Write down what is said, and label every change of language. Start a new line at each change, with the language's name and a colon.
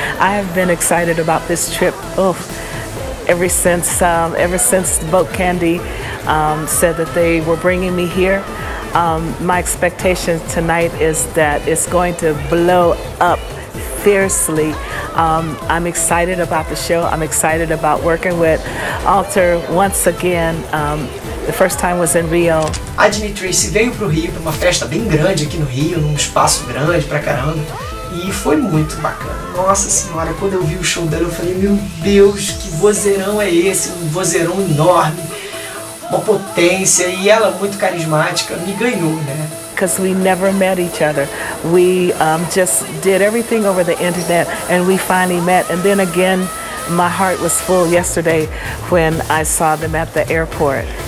English: I have been excited about this trip ever since Boat Candy said that they were bringing me here. My expectation tonight is that it's going to blow up fiercely. I'm excited about the show. I'm excited about working with Altar once again. The first time was in Rio.
Portuguese: A Jeannie Trace veio pro Rio para uma festa bem grande aqui no Rio, num espaço grande pra caramba. E foi muito bacana. Nossa Senhora, quando eu vi o show dela, eu falei, meu Deus, que vozeirão é esse? Um vozeirão enorme, uma potência, e ela muito carismática, me ganhou, né?
English: Because we never met each other. We just did everything over the internet and we finally met. And then again, my heart was full yesterday when I saw them at the airport.